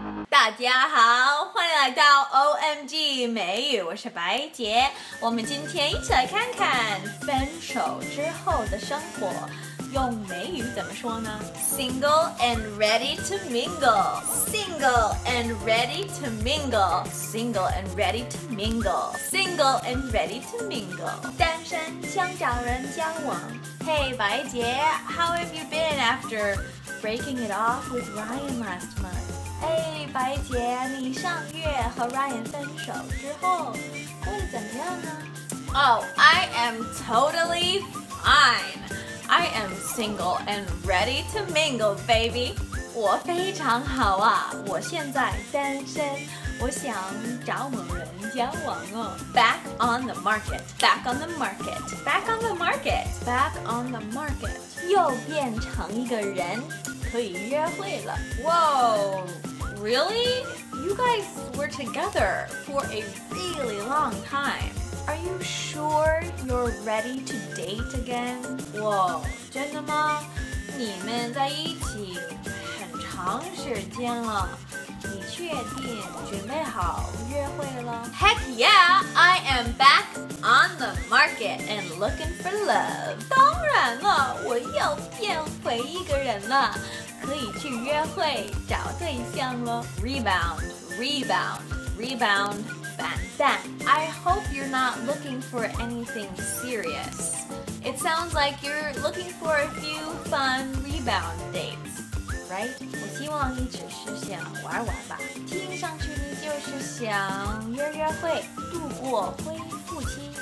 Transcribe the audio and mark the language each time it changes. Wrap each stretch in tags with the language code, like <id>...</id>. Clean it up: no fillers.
<zh>大家好，欢迎来到 OMG 美语，我是白杰。我们今天一起来看看分手之后的生活，用美语怎么说呢？</zh> <en>Single and ready to mingle. Single and ready to mingle. Single and ready to mingle. Single and ready to mingle.</en> <zh>单身想找人交往。</zh> <en>Hey 白杰， How have you been after breaking it off with Ryan last month?</en> <zh>哎，白姐，你上月和 Ryan 分手之后会怎么样呢？</zh> <en>Oh, I am totally fine. I am single and ready to mingle, baby.</en> <zh>我非常好啊，我现在单身，我想找某人交往哦。</zh> <en>Back on the market, back on the market, back on the market, back on the market.</en> <zh>又变成一个人，可以约会了。</zh> <en>Whoa, really? You guys were together for a really long time. Are you sure you're ready to date again?</en> <zh>哇，真的吗？你们在一起很长时间了，你确定准备好约会了？</zh> <en>Heck yeah, I am back on the market and looking for love.</en> <zh>当然了，我又变回一个人了，可以去约会找对象了。</zh> <en>Rebound, rebound, rebound. Then, I hope you're not looking for anything serious. It sounds like you're looking for a few fun rebound dates, right?</en> <zh>我希望你只是想玩玩吧。听上去你就是想约约会，度过恢复期。</zh>